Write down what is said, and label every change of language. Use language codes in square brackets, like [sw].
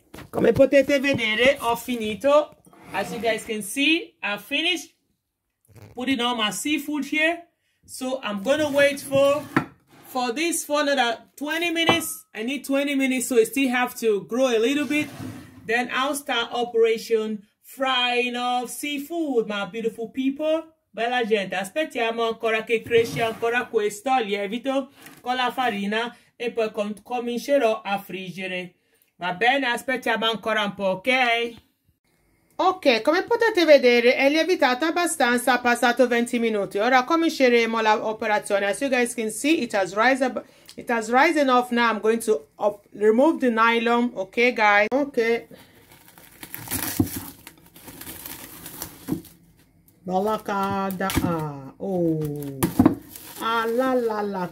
[it] Come potete vedere, ho finito. [en] As you guys can see, I finished putting all my seafood here. So I'm gonna wait for this for another 20 minutes. I need 20 minutes, so it still have to grow a little bit. Then I'll start operation frying of seafood, my beautiful people. [it] Bella gente, aspettiamo ancora che cresce ancora questo lievito con la farina e poi comincerò a friggere. Va bene, aspettiamo ancora un po', ok? Ok, come potete vedere è lievitato abbastanza, è passato 20 minuti. Ora cominceremo l'operazione. [en] As you guys can see, it has risen off. Now I'm going to remove the nylon, ok guys? Ok. Balakada. Oh. Ah la la la.